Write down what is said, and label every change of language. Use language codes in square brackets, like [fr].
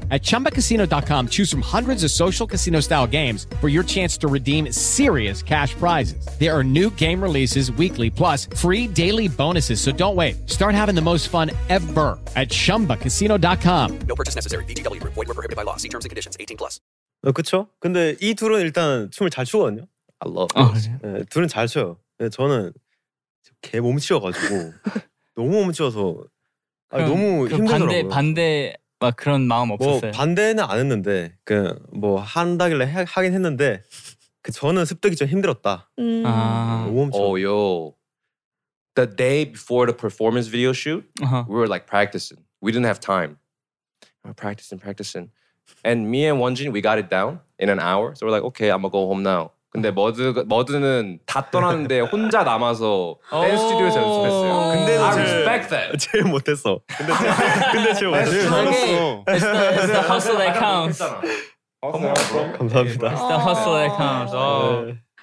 [en] At ChumbaCasino.com, choose from hundreds of social casino-style games for your chance to redeem serious cash prizes. There are new game releases weekly, plus free daily bonuses, so don't wait. Start having the most fun ever at ChumbaCasino.com. No purchase necessary. VGW. Void where prohibited by law. See terms and conditions. 18 plus. [ko] 그렇죠? 근데 이 둘은 일단 춤을 잘 추거든요. [en] I love [ko] it. 네, 둘은 잘 춰요. 근데 저는 개 몸치여가지고 너무 몸치여서 아니, 그럼, 너무 그럼 힘들더라고요. 반대 막 그런 마음 없었어요? 뭐 반대는 안 했는데 그 뭐 한다길래 하긴 했는데 그 저는 습득이 좀 힘들었다. 아. 너무 몸치여. [en] Oh, yo. The day before the performance video shoot, uh-huh. we were like practicing. We didn't have time. Practicing. And me and Wonjin, we got it down in an hour. So we're like, okay, I'm gonna go home now. [ko] 근데 머드는 다 떠났는데 혼자 남아서 댄스 스튜디오에서 연습했어요. 근데 [en] I respect that. [ko] 제일 못했어. 근데 제일 못했어. [en] It's the hustle that counts. It's the hustle that counts. [ko] 감사합니다. [en] It's the hustle that counts.